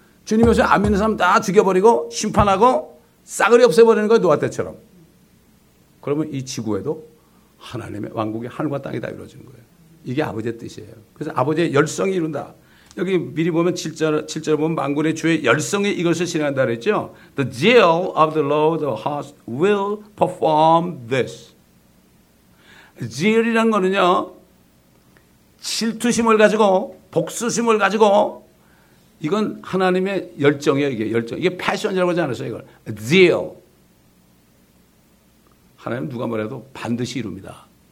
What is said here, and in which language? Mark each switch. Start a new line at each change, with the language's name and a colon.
Korean: 주님이 오셔서 안 믿는 사람 다 죽여버리고 심판하고 싸그리 없애버리는 거예요. 노아 때처럼. 그러면 이 지구에도 하나님의 왕국이 하늘과 땅이 다 이루어진 거예요. 이게 아버지의 뜻이에요. 그래서 아버지의 열성이 이룬다. 여기 미리 보면 7절 보면 만군의 주의 열성이 이것을 실행한다 그랬죠.
English: The zeal of the Lord of hosts will perform this.
Korean: Zeal이란 거는요. 질투심을 가지고 복수심을 가지고 이건 하나님의 열정이에요. 이게 열정. 이게 패션이라고 하지 않았어요. 이걸. Zeal. 하나님 누가 뭐래도 반드시 이룹니다.